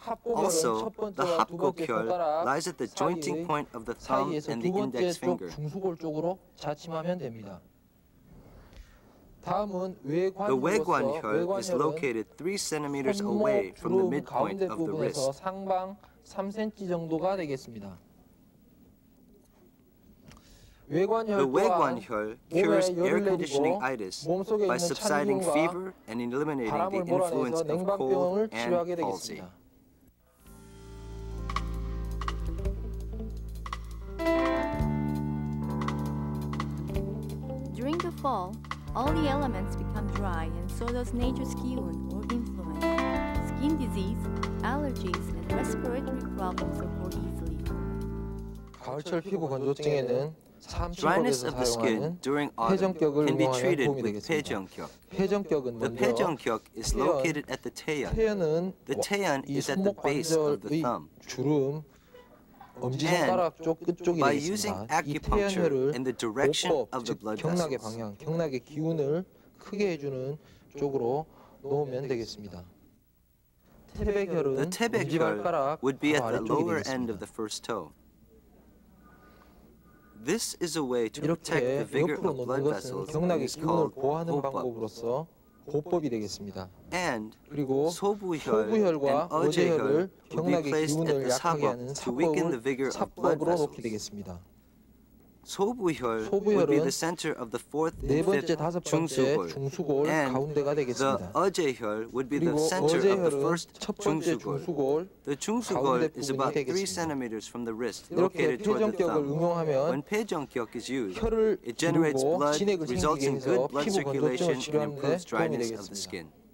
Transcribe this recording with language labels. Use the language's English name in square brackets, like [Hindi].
[English] Also, the hapgok hyeol lies at the jointing point of the thumb and the index finger. [Korean] 중수골 쪽으로 자침하면 됩니다. 다음은 [English] The Weguan hyeol is located 3cm away from the midpoint of the wrist. [Korean] 상방 3cm 정도가 되겠습니다. [English] 외관혈 the Weguan혈 cures air conditioning itis by subsiding fever and eliminating the influence of cold and palsy. [Korean] 되겠습니다. [English] During the fall, all the elements become dry and so does nature's kiun or influence. Skin disease, allergies, and respiratory problems occur easily. [Korean] 가을철 피부 건조증에는 [English] Dryness of the skin during autumn can be treated with 폐정격. The 폐정격 is located at the 태연. The 태연 is at the base of the thumb. [Korean] 주름, 엄지손가락 쪽 끝쪽이 [English] By using acupuncture in the direction of the blood vessels, [Korean] 경락의 방향, 경락의 기운을 크게 해주는 쪽으로 놓으면 되겠습니다. [English] The 태백혈 would be at the lower end of the first toe. This is a way to protect the vigor of blood vessels and is called [Korean] 보하는 고법이 되겠습니다. [English] And [Korean] 그리고 소부혈과 어제혈을 경락의 기운을 약하게 하는 삽법을 삽법으로 놓게 되겠습니다. [English] 소부혈 would be the center of the fourth and fifth [Korean] 중수골 가운데가 되겠습니다. [English] The 어제혈 would be the center of the first [Korean] 중수골. [English] The 중수골 is about 3cm from the wrist, located toward the thumb. When 폐정격 is used, it generates blood, results in good blood circulation, and improves dryness of the skin.